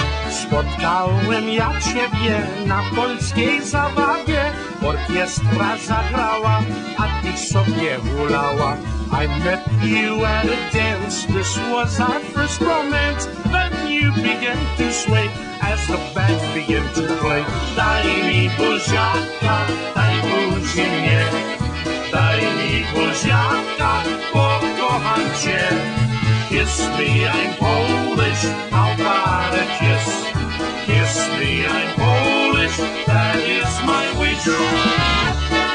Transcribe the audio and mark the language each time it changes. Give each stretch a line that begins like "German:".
Polish: Spotkałem ja ciebie na polskiej zabawie. Orkiestra zagrała, a ty sobie hulała.
English: I met you at a dance, this was our first romance. Then you began to sway as the band began to play.
Polish: Daj mi buziaka, daj buzi mnie. Daj mi buziaka, bo kocham cię.
English: Kiss me, I'm Polish, how about a kiss? Kiss me, I'm Polish, that is my wish.